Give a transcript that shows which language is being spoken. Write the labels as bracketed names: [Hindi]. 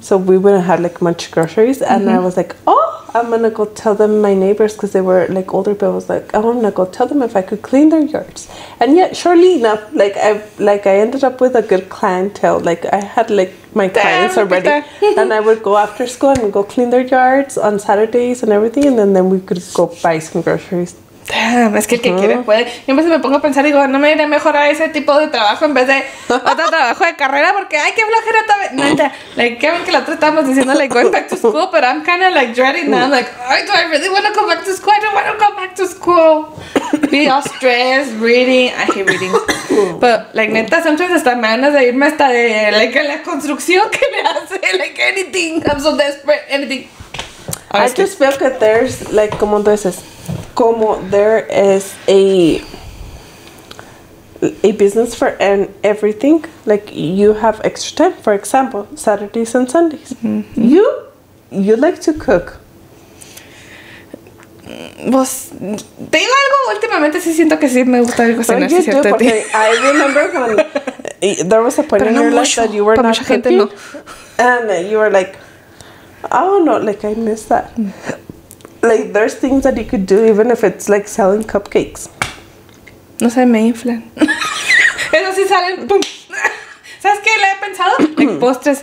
[English] So we wouldn't have, like, much groceries. And mm-hmm. I was like, oh, I'm going to go tell them my neighbors, because they were, like, older, but I was like, oh, I'm going to go tell them if I could clean their yards. And yet, surely enough, like, I ended up with a good clientele. Like, I had, like, my clients already. And I would go after school and go clean their yards on Saturdays and everything, and then we could go buy some groceries. [Spanish] Damn, es que el que quiere puede. Yo me pongo a pensar y digo, no me iré mejor a ese tipo de trabajo en vez de otro trabajo de carrera, porque ay, qué flojera también. [English] No, ya, like, [Spanish] qué bien que la otra estábamos diciendo, [English] like, going back to school, but I'm kind of like dreading now. I'm like, ay, do I really want to go back to school? I don't want to go back to school. Be all stressed, reading. I hate reading. But, like, neta, sometimes [Spanish] hasta me van a irme hasta de, [English] like, [Spanish] la construcción que me hace, [English] like, anything. I'm so desperate, anything. Honestly. I just feel that there's, like, [Spanish] como tú dices, [English] como there is a business for everything. Like, you have extra time. For example, Saturdays and Sundays. Mm-hmm. You like to cook. [Spanish] Pues, te digo algo, últimamente sí siento que sí me gusta algo cocinar. Pero yo, porque [English] I remember when there was a point in your life that you were not cooking. No. And you were like, oh no, like, I miss that. Like, there's things that you could do even if it's like selling cupcakes. [Spanish] No sé, me inflan. Eso sí salen. ¡Pum! ¿Sabes qué? Le he pensado. Like, postres.